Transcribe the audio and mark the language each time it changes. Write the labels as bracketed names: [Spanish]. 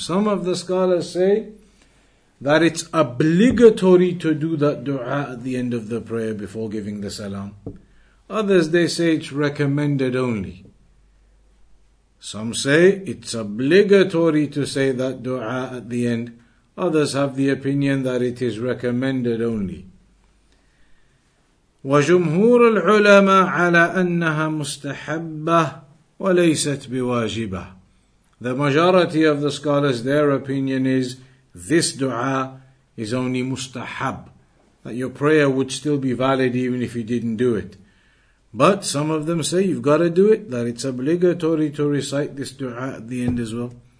[English] Some of the scholars say that it's obligatory to do that dua at the end of the prayer before giving the salam. Others, they say it's recommended only. Some say it's obligatory to say that dua at the end. Others have the opinion that it is recommended only. [Arabic] وجمهور العلماء على أنها مستحبة وليست بواجبة. [English] The majority of the scholars, their opinion is this dua is only mustahab, that your prayer would still be valid even if you didn't do it. But some of them say you've got to do it, that it's obligatory to recite this dua at the end as well.